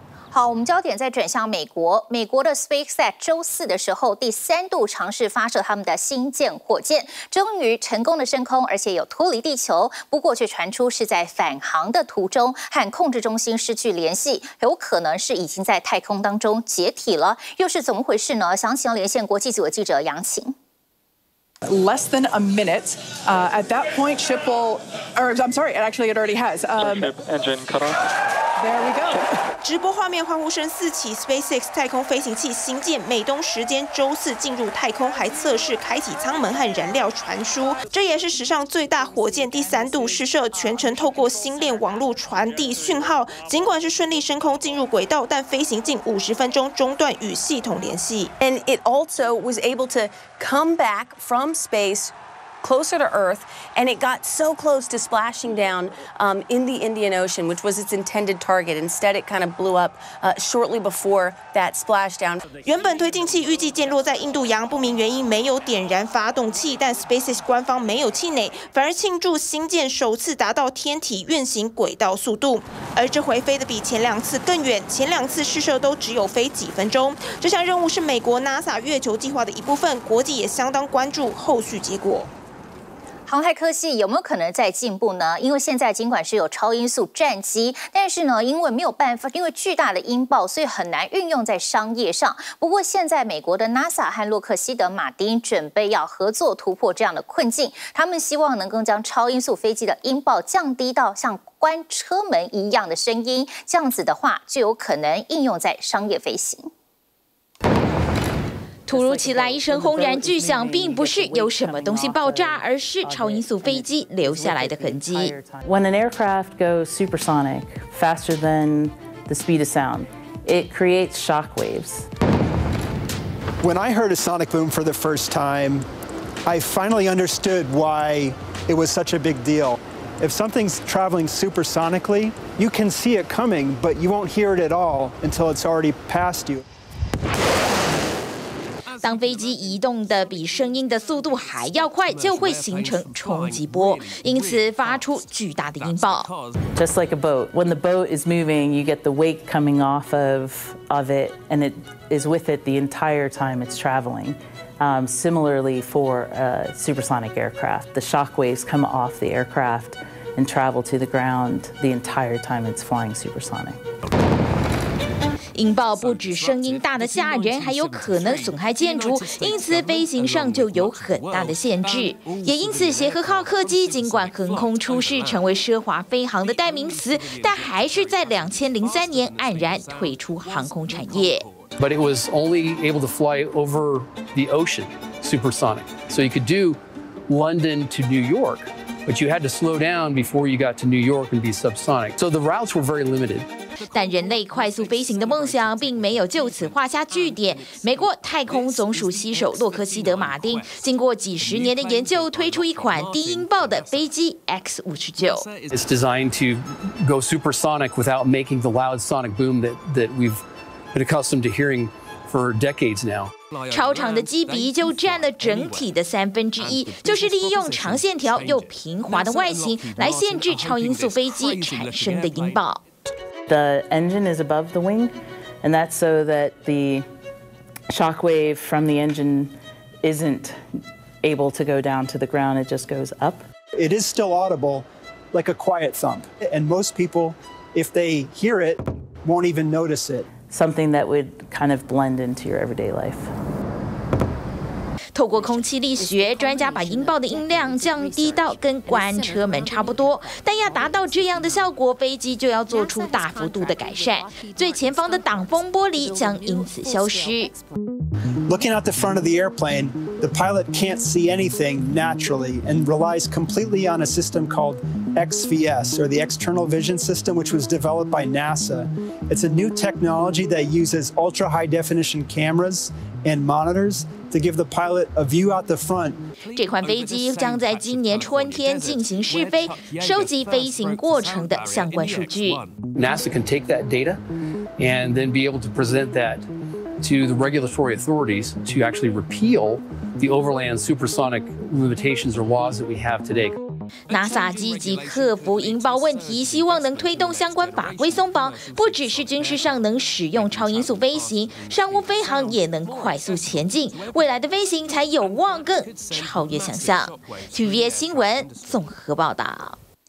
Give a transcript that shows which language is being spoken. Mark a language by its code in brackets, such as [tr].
[zh] 好，我们焦点再转向美国。美国的 SpaceX 周四的时候第三度尝试发射他们的新舰火箭，终于成功的升空，而且有脱离地球。不过却传出是在返航的途中和控制中心失去联系，有可能是已经在太空当中解体了，又是怎么回事呢？详情连线国际组的记者杨晴。 [en] Less than a minute. At that point, ship will, or I'm sorry, it actually it already has. Ship engine cut off. There we go. [zh] 直播画面欢呼声四起 ，SpaceX 太空飞行器新舰美东时间周四进入太空，还测试开启舱门和燃料传输。这也是史上最大火箭第三度试射，全程透过星链网络传递讯号。尽管是顺利升空进入轨道，但飞行近50分钟中断与系统联系。 [en] And it also was able to come back from space. Closer to Earth, and it got so close to splashing down in the Indian Ocean, which was its intended target. Instead, it kind of blew up shortly before that splashdown. [zh] 原本推进器预计降落在印度洋，不明原因没有点燃发动器，但 SpaceX 官方没有气馁，反而庆祝新舰首次达到天体运行轨道速度。而这回飞得比前两次更远，前两次试射都只有飞几分钟。这项任务是美国 NASA 月球计划的一部分，国际也相当关注后续结果。航太科技有没有可能再进步呢？因为现在尽管是有超音速战机，但是呢，因为没有办法，因为巨大的音爆，所以很难运用在商业上。不过现在美国的 NASA 和洛克希德马丁准备要合作突破这样的困境，他们希望能够将超音速飞机的音爆降低到像关车门一样的声音，这样子的话就有可能应用在商业飞行。突如其来一声轰然巨响，并不是有什么东西爆炸，而是超音速飞机留下来的痕迹。 [en] When an aircraft goes supersonic faster than the speed of sound, it creates shock waves. When I heard a sonic boom for the first time, I finally understood why it was such a big deal. If something's traveling supersonically, you can see it coming, but you won't hear it at all until it's already past you. [zh] 当飞机移动的比声音的速度还要快，就会形成冲击波，因此发出巨大的音爆。 [en] Just like a boat, when the boat is moving, you get the wake coming off of it, and it is with it the entire time it's traveling. Similarly for a supersonic aircraft, the shock waves come off the aircraft and travel to the ground the entire time it's flying supersonic. [zh] 音爆不止声音大的吓人，还有可能损害建筑，因此飞行上就有很大的限制。也因此，协和号客机尽管横空出世，成为奢华飞行的代名词，但还是在2003年黯然退出航空产业。 [en] But it was only able to fly over the ocean, supersonic. So you could do London to New York, but you had to slow down before you got to New York and be subsonic. So the routes were very limited. [zh] 但人类快速飞行的梦想并没有就此画下句点。美国太空总署携手洛克希德马丁，经过几十年的研究，推出一款低音爆的飞机 X-59。 [en] It's designed to go supersonic without making the loud sonic boom that we've been accustomed to hearing for decades now. [zh] 超长的机鼻就占了整体的三分之一，就是利用长线条又平滑的外形来限制超音速飞机产生的音爆。 [en] The engine is above the wing, and that's so that the shock wave from the engine isn't able to go down to the ground, it just goes up. It is still audible, like a quiet thump, and most people, if they hear it, won't even notice it. Something that would kind of blend into your everyday life. [zh] 透过空气力学，专家把音爆的音量降低到跟关车门差不多。但要达到这样的效果，飞机就要做出大幅度的改善，最前方的挡风玻璃将因此消失。 [en] Looking out the front of the airplane, the pilot can't see anything naturally and relies completely on a system called XVS, or the External Vision System, which was developed by NASA. It's a new technology that uses ultra high definition cameras and monitors. To give the pilot a view out the front. [zh] 这款飞机将在今年春天进行试飞，收集飞行过程的相关数据。 [en] NASA can take that data and then be able to present that to the regulatory authorities to actually repeal the overland supersonic limitations or laws that we have today. [zh] NASA 积极克服音爆问题，希望能推动相关法规松绑，不只是军事上能使用超音速飞行，商务飞行也能快速前进，未来的飞行才有望更超越想象。 TVBS 新闻综合报道。